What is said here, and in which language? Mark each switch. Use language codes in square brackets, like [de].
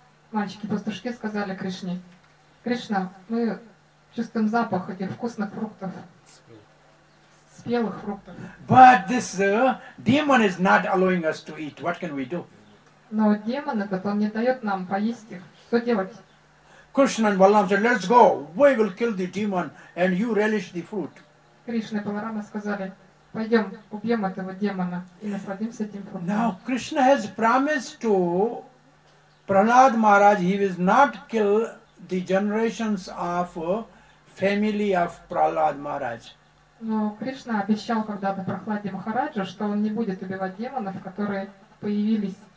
[ru] Мальчики, пастушки сказали Кришне: Кришна, мы чувствуем запах этих вкусных фруктов, спелых фруктов. [en] But this demon is not allowing us to eat. What can we do? [ru] Но демон этот, он не дает нам поесть их. Что делать? [en] Krishna and Balaram said, "Let's go. We will kill the demon, and you relish the fruit." [ru] Krishna and Balaram сказали, "Пойдем, убьем этого демона и насладимся этим фруктом." [en] Now Krishna has promised to Prahlad Maharaj he will not kill the generations of family of Prahlad Maharaj. [ru] Но Кришна обещал когда-то Прохладе Махараджу, что он не будет убивать демонов, которые появились.